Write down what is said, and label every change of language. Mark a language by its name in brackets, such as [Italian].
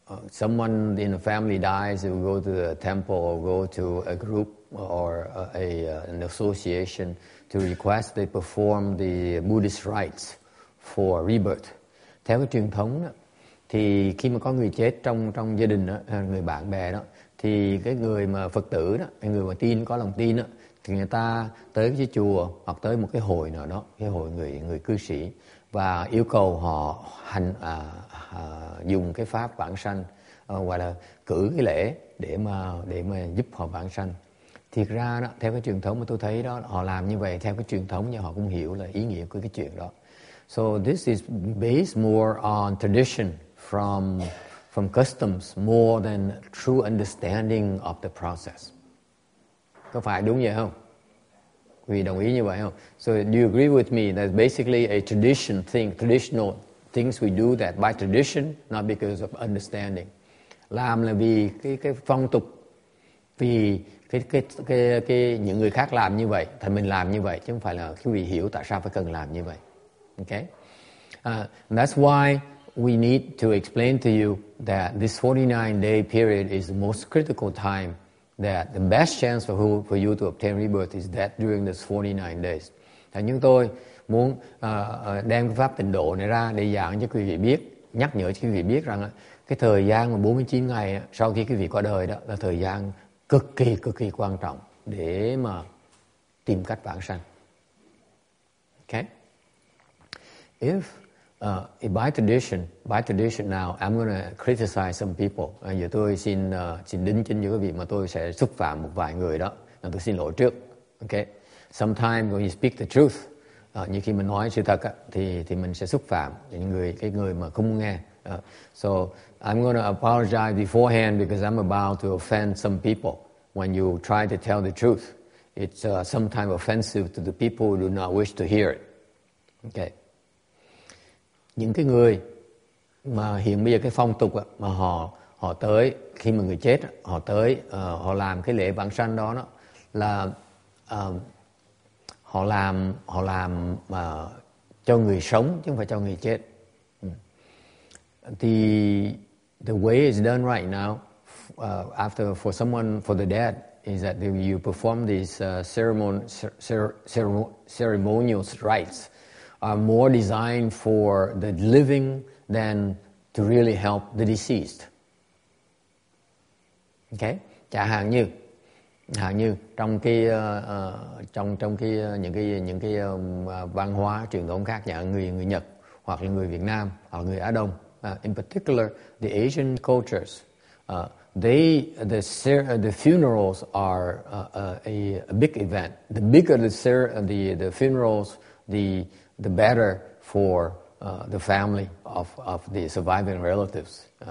[English] Someone in a family dies, they will go to a temple or go to a group or an association to request they perform the Buddhist rites for rebirth. [Vietnamese] Theo cái truyền thống đó, thì khi mà có người chết trong trong gia đình đó, người bạn bè đó, thì cái người mà Phật tử đó, người mà tin có lòng tin đó, thì người ta tới cái chùa hoặc tới một cái hội nào đó, cái hội người người cư sĩ và yêu cầu họ hành dùng cái pháp vãng sanh hoặc là cử cái lễ để mà giúp họ vãng sanh. Thiệt ra đó, theo cái truyền thống mà tôi thấy đó, họ làm như vậy theo cái truyền thống nhưng họ cũng hiểu là ý nghĩa của cái chuyện đó. [English] So this is based more on tradition from customs more than true understanding of the process. [Vietnamese] Có phải đúng vậy không? Quý vị đồng ý như vậy không? [English] So do you agree with me that basically a tradition thing, traditional things we do that by tradition, not because of understanding. [Vietnamese] Làm là vì cái phong tục, vì cái những người khác làm như vậy, thì mình làm như vậy, chứ không phải là quý vị hiểu tại sao phải cần làm như vậy. [English] Okay? That's why we need to explain to you that this 49-day period is the most critical time, that the best chance for you to obtain rebirth is that during this 49 days. [Vietnamese] Thì chúng tôi muốn đem cái pháp tịnh độ này ra để giảng cho quý vị biết, nhắc nhở cho quý vị biết rằng cái thời gian mà 49 ngày sau khi quý vị qua đời đó là thời gian cực kỳ quan trọng để mà tìm cách vãng sanh. [English] Okay? If by tradition now I'm going to criticize some people. [Vietnamese] Giờ tôi xin đính chính cho quý vị mà tôi sẽ xúc phạm một vài người đó. Nên tôi xin lỗi trước. Okay. [English] Sometimes when you speak the truth, [Vietnamese] như khi mình nói sự thật á, thì mình sẽ xúc phạm những người cái người mà không nghe. [English] So I'm going to apologize beforehand because I'm about to offend some people. When you try to tell the truth, it's sometimes offensive to the people who do not wish to hear it. Okay. [Vietnamese] Những cái người mà hiện bây giờ cái phong tục mà họ tới khi mà người chết họ tới họ làm cái lễ vãng sanh đó là họ làm mà cho người sống chứ không phải cho người chết. [English] The way it's done right now for the dead is that you perform these ceremonial rites are more designed for the living than to really help the deceased. Okay? [Vietnamese] Chẳng hạn như trong những cái văn hóa truyền thống khác, chẳng hạn người Nhật hoặc là người Việt Nam hoặc là người Á Đông, [English] in particular the Asian cultures, the funerals are a big event. The bigger the funerals, the better for the family of the surviving relatives.